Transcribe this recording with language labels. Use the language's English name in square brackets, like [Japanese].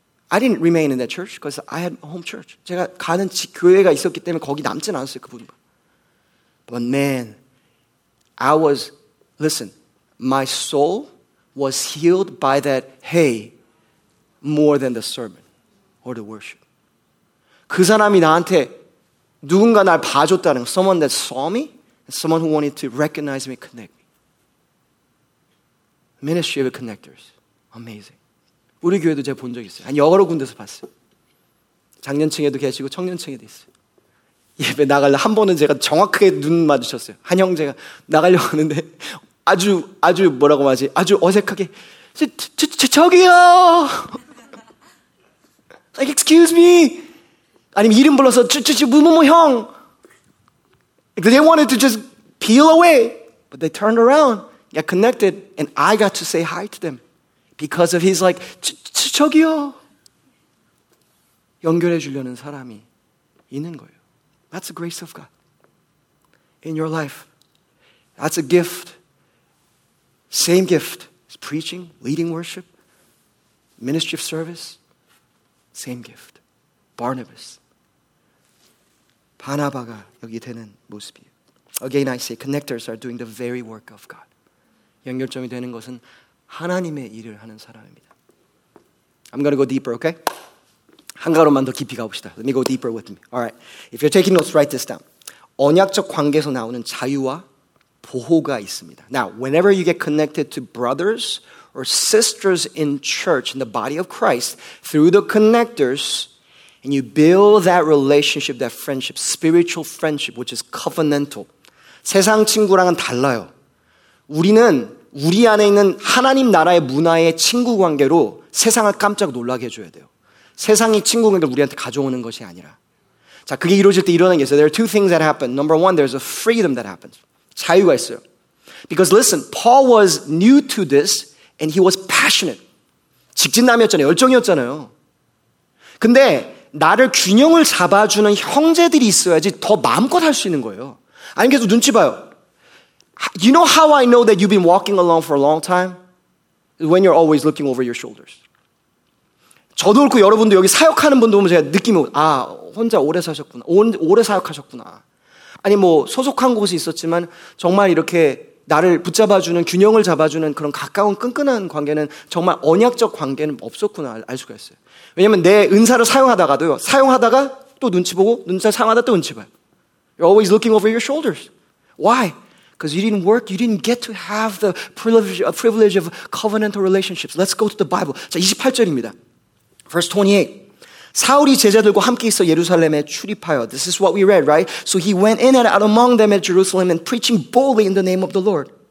[English] I didn't remain in that church because I had a home church. [Korean] 제가 가는 교회가 있었기 때문에 거기 남진 않았어요, 그분과. But man, my soul was healed by that "hey" more than the sermon or the worship. 그 사람이 나한테 누군가 날 봐줬다는 거, [English] someone that saw me, and someone who wanted to recognize me, connect me. Ministry of Connectors, amazing. [Korean] 우리 교회도 제가 본 적 있어요. 한 여러 군데서 봤어요. 장년층에도 계시고 청년층에도 있어요. 예배 나가려 한 번은 제가 정확하게 눈 마주쳤어요. 한 형제가 나가려고 하는데 아주 뭐라고 말하지? 아주 어색하게 저기요! [English] Like, "Excuse me!" [Korean] 아니면 이름 불러서 뭐 형! [English] They wanted to just peel away. But they turned around, got connected, and I got to say hi to them. Because of his like, "저기요!" [Korean] 연결해 주려는 사람이 있는 거예요. [English] That's the grace of God in your life. That's a gift. Same gift. It's preaching, leading worship, ministry of service. Same gift. Barnabas. [Korean] 바나바가 여기 되는 모습이에요. [English] Again, I say, connectors are doing the very work of God. [Korean] 연결점이 되는 것은 하나님의 일을 하는 사람입니다. [English] I'm going to go deeper, okay? [Korean] 한 가로만 더 깊이 가봅시다. [English] Let me go deeper with me. All right. If you're taking notes, write this down. [Korean] 언약적 관계에서 나오는 자유와 보호가 있습니다. [English] Now, whenever you get connected to brothers or sisters in church, in the body of Christ, through the connectors, and you build that relationship, that friendship, spiritual friendship, which is covenantal. [Korean] 세상 친구랑은 달라요. 우리는 우리 안에 있는 하나님 나라의 문화의 친구 관계로 세상을 깜짝 놀라게 해줘야 돼요. 세상이 친구 관계를 우리한테 가져오는 것이 아니라. 자, 그게 이루어질 때 일어나는 게 있어요. [English] There are two things that happen. Number one, there's a freedom that happens. [Korean] 자유가 있어요. [English] Because listen, Paul was new to this and he was passionate. [Korean] 직진남이었잖아요. 열정이었잖아요. 근데 나를 균형을 잡아주는 형제들이 있어야지 더 마음껏 할 수 있는 거예요. 아니, 계속 눈치 봐요. [English] You know how I know that you've been walking alone for a long time? When you're always looking over your shoulders. [Korean] 저도 그렇고 여러분도 여기 사역하는 분도 보면 제가 느낌이 오고, 아, 혼자 오래 사셨구나. 오래 사역하셨구나. 아니, 뭐 소속한 곳이 있었지만 정말 이렇게 나를 붙잡아주는, 균형을 잡아주는 그런 가까운 끈끈한 관계는 정말 언약적 관계는 없었구나 알 수가 있어요. 왜냐면 내 은사를 사용하다가도요. 사용하다가 또 눈치 보고, 눈사를 사용하다 또 눈치 봐요. [English] You're always looking over your shoulders. Why? Because you didn't work, you didn't get to have the privilege of covenantal relationships. Let's go to the Bible. [Korean] 자, 28절입니다. [English] Verse 28. [Korean] 사울이 제자들과 함께 있어 예루살렘에 출입하여. [English] This is what we read, right? So he went in and out among them at Jerusalem and preaching boldly in the name of the Lord.